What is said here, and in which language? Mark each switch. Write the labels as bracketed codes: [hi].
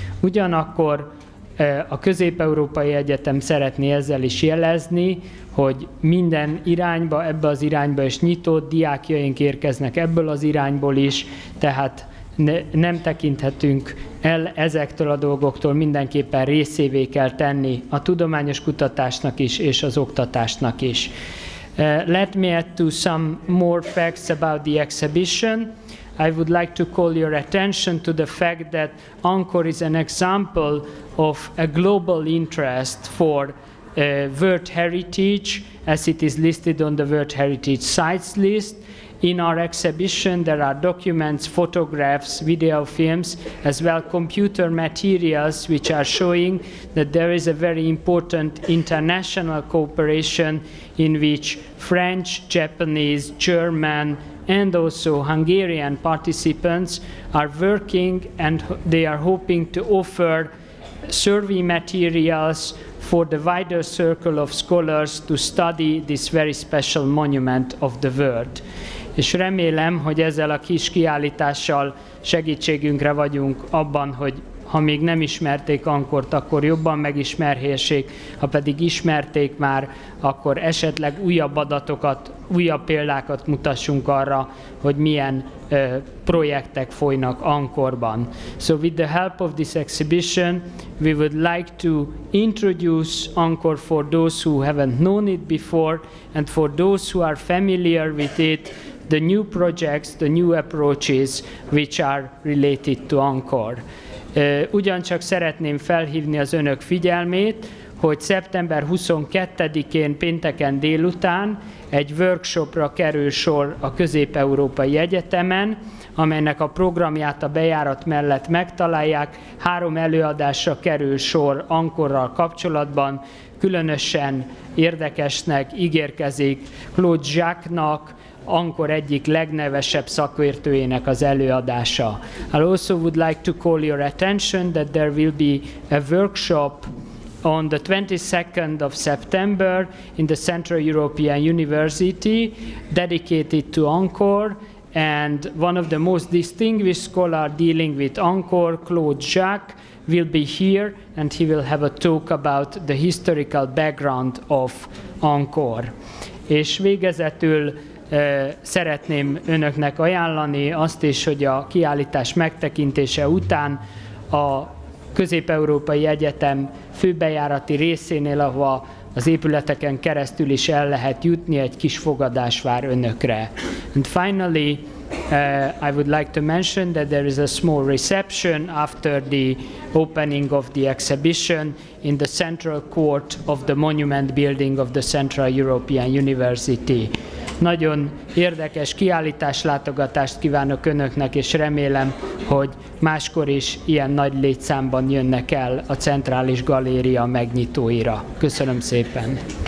[hu] Ugyanakkor a Közép-Európai Egyetem szeretné ezzel is jelezni, hogy minden irányba, ebbe az irányba is nyitott diákjaink érkeznek ebből az irányból is, tehát nem tekinthetünk el ezektől a dolgoktól, mindenképpen részévé kell tenni a tudományos kutatásnak is és az oktatásnak is. [en] Let me add to some more facts about the exhibition. I would like to call your attention to the fact that ANCOR is an example of a global interest for World Heritage, as it is listed on the World Heritage Sites list. In our exhibition, there are documents, photographs, video films, as well computer materials, which are showing that there is a very important international cooperation in which French, Japanese, German, and also Hungarian participants are working, and they are hoping to offer survey materials for the wider circle of scholars to study this very special monument of the world. [hu] És remélem, hogy ezzel a kis kiállítással segítségünkre vagyunk abban, hogy ha még nem ismerték Angkort, akkor jobban megismerhessék, ha pedig ismerték már, akkor esetleg újabb adatokat, újabb példákat mutassunk arra, hogy milyen projektek folynak Angkorban. [en] So with the help of this exhibition, we would like to introduce Angkor for those who haven't known it before, and for those who are familiar with it, the new projects, the new approaches, which are related to Angkor. [hu] Ugyancsak szeretném felhívni az önök figyelmét, hogy szeptember 22-én pénteken délután egy workshopra kerül sor a Közép-Európai Egyetemen, amelynek a programját a bejárat mellett megtalálják. Három előadásra kerül sor Angkorral kapcsolatban. Különösen érdekesnek ígérkezik Claude Jacques-nak, Angkor egyik legnevesebb szakértőjének az előadása. [en] I also would like to call your attention that there will be a workshop on the 22nd of September in the Central European University dedicated to Angkor, and one of the most distinguished scholars dealing with Angkor, Claude Jacques, will be here and he will have a talk about the historical background of Angkor. [hu] És végezetül szeretném önöknek ajánlani azt is, hogy a kiállítás megtekintése után a Közép-Európai Egyetem főbejárati részénél, ahova az épületeken keresztül is el lehet jutni, egy kis fogadás vár önökre. [en] And finally, I would like to mention that there is a small reception after the opening of the exhibition in the central court of the monument building of the Central European University. [hu] Nagyon érdekes kiállítás látogatást kívánok önöknek, és remélem, hogy máskor is ilyen nagy létszámban jönnek el a Centrális Galéria megnyitóira. Köszönöm szépen!